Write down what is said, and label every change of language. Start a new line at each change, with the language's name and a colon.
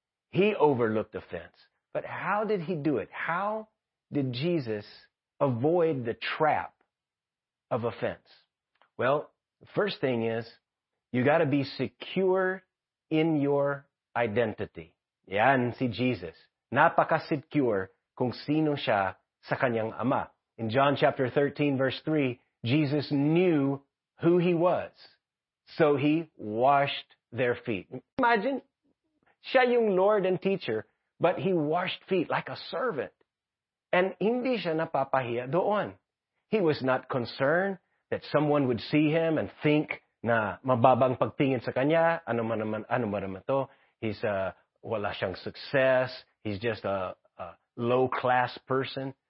English: He overlooked offense. But how did he do it? How did Jesus avoid the trap of offense? Well, the first thing is, you got to be secure in your identity.
Filipino: Yan si Jesus. Napaka-secure kung sino siya sa kanyang ama.
English: In John chapter 13, verse 3, Jesus knew who he was. So he washed their feet. Imagine,
Filipino: siya yung
English: Lord and teacher, but he washed feet like a servant. And
Filipino: hindi siya napapahiya doon.
English: He was not concerned that someone would see him and think,
Filipino: na mababang pagtingin sa kanya, ano man to,
English: he's
Filipino: wala siyang
English: success, he's just a low-class person.